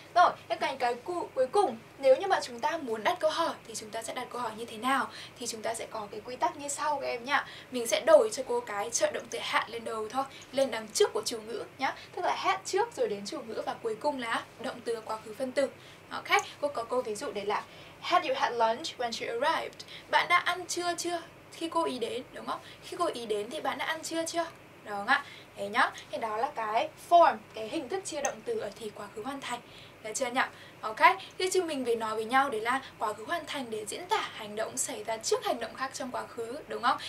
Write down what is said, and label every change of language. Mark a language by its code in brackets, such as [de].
[vi] Rồi, cái cuối cùng, nếu như mà chúng ta muốn đặt câu hỏi thì chúng ta sẽ đặt câu hỏi như thế nào? Thì chúng ta sẽ có cái quy tắc như sau các em nhá. Mình sẽ đổi cho cô cái trợ động từ had lên đầu thôi, lên đằng trước của chủ ngữ nhá. Tức là had trước rồi đến chủ ngữ và cuối cùng là động từ quá khứ phân tử. Ok? Cô có câu ví dụ đấy là [en] had you had lunch when she arrived? [vi] Bạn đã ăn trưa chưa? Khi cô ý đến, đúng không? Khi cô ý đến thì bạn đã ăn trưa chưa? Đúng ạ. Thế nhá. Thì đó là cái form, cái hình thức chia động từ ở thì quá khứ hoàn thành. Được chưa nhỉ? Ok. Thế chứ mình về nói với nhau để là quá khứ hoàn thành để diễn tả hành động xảy ra trước hành động khác trong quá khứ, đúng không?